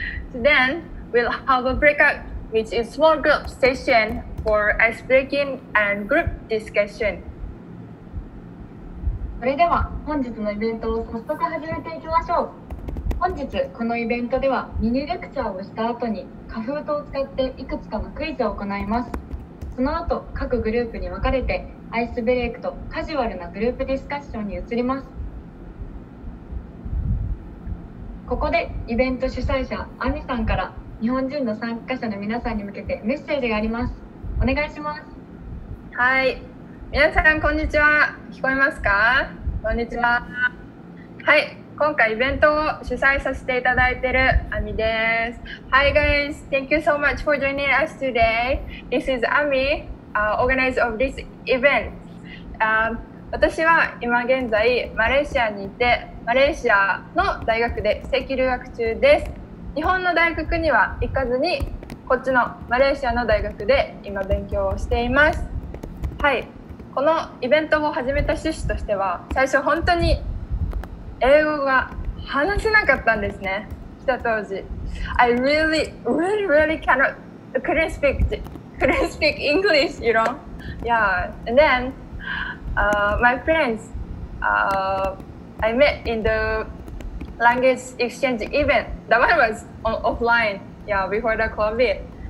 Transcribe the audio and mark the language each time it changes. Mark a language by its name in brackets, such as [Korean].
[English] So then we'll have a breakout, which is small group session for icebreaking and group discussion. [Japanese] それでは本日のイベントを早速始めていきましょう。本日このイベントではミニレクチャーをした後に、カフートを使っていくつかのクイズを行います。その後、各グループに分かれてアイスブレイクとカジュアルなグループディスカッションに移ります。ここでイベント主催者アミさんから日本人の参加者の皆さんに向けてメッセージがあります。お願いします。はい、皆さんこんにちは。聞こえますか？こんにちは。はい、今回イベントを主催させていただいているアミです。 [English] Hi guys, thank you so much for joining us today. This is Amiorganizer of this event. [Japanese] 私は今現在マレーシアにいて、マレーシアの大学で非正規留学中です。日本の大学には行かずに、こっちのマレーシアの大学で今勉強をしています。はい、このイベントを始めた趣旨としては、最初本当に英語が話せなかったんですね、来た当時。 [English] I really, really, really cannot couldn't speakCouldn't speak English, you know? Yeah, and then my friends I met in the language exchange event. That one was offline, yeah, before the COVID.